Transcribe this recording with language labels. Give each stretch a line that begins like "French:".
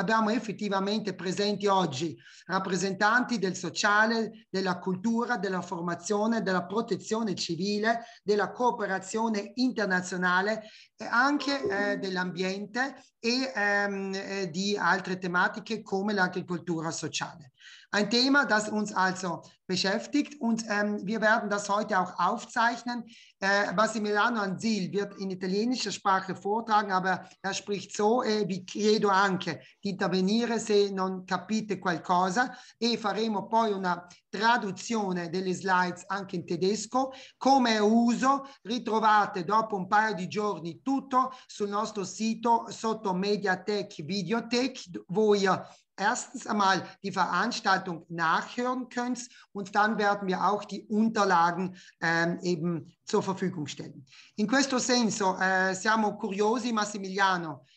Italian: Abbiamo effettivamente presenti oggi rappresentanti del sociale, della cultura, della formazione, della protezione civile, della cooperazione internazionale e anche dell'ambiente e di altre tematiche come l'agricoltura sociale.
German: Ein Thema, das uns also beschäftigt und wir werden das heute auch aufzeichnen. Massimiliano Anzil wird in italienischer Sprache vortragen, aber er spricht so,
Italian: vi chiedo anche di intervenire se non capite qualcosa e faremo poi una traduzione delle slides anche in tedesco. Come uso, ritrovate dopo un paio di giorni tutto sul nostro sito sotto
German: Mediathek Videothek, wo ihr erstens einmal die Veranstaltung nachhören könnt und dann werden wir auch die Unterlagen eben zur Verfügung stellen.
Italian: In questo senso, siamo curiosi, Massimiliano,